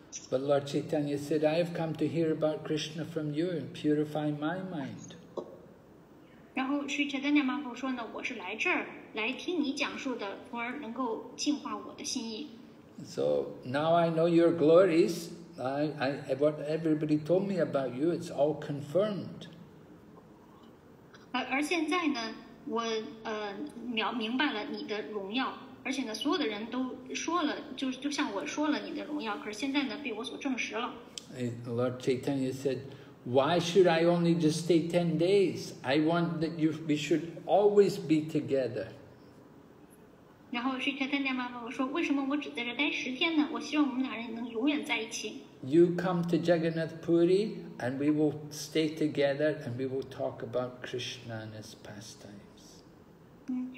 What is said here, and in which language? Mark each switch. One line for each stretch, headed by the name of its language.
English: But Lord Chaitanya said, I have come to hear about Krishna from you and purify my mind.
Chinese: 然后 Sri Chaitanya Mahaprabhu 说呢，我是来这儿来听你讲述的，从而能够净化我的心意。
English: So now I know your glories. I what everybody told me about you, it's all confirmed.
Chinese: 而现在呢，我明白了你的荣耀，而且呢，所有的人都说了，就像我说了你的荣耀，可是现在呢，被我所证实了。
English: Lord Chaitanya said, "Why should I only just stay 10 days? I want that we should always be together."
Chinese: 然后 Sri Chaitanya Mahaprabhu 说，为什么我只在这待十天呢？我希望我们两人能永远在一起。
English: You come to Jagannath Puri and we will stay together and we will talk about Krishna and his pastimes.